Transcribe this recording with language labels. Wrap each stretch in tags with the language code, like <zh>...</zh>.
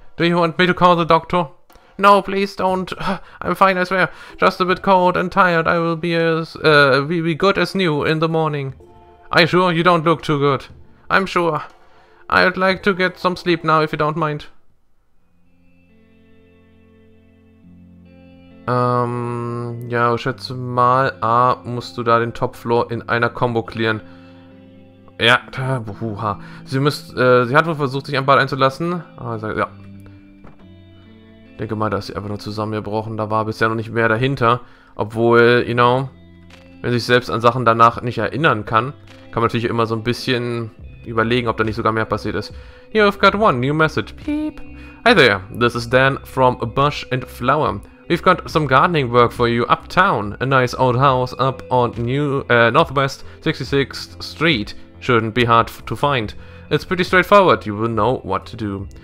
<en>Do you want me to call the doctor? No, please don't. I'm fine, I swear. Just a bit cold and tired. I will be good as new in the morning. Are you sure? You don't look too good. I'm sure. I'd like to get some sleep now, if you don't mind.</en> <de>Ja, ich schätze mal, musst du da den Topfloor in einer Combo clearen. Ja, buha. Sie hat wohl versucht, sich am Bad einzulassen. Also, ja. Denke mal, da ist sie einfach nur zusammengebrochen. Da war bisher noch nicht mehr dahinter. Obwohl,</de> <en>you know,</en> <de>wenn sich selbst an Sachen danach nicht erinnern kann, kann man natürlich immer so ein bisschen überlegen, ob da nicht sogar mehr passiert ist.</de> <en>You've got one new message. Beep. Hi there, this is Dan from Bush and Flower. We've got some gardening work for you uptown. A nice old house up on Northwest 66th Street. Shouldn't be hard to find. It's pretty straightforward. You will know what to do.</en>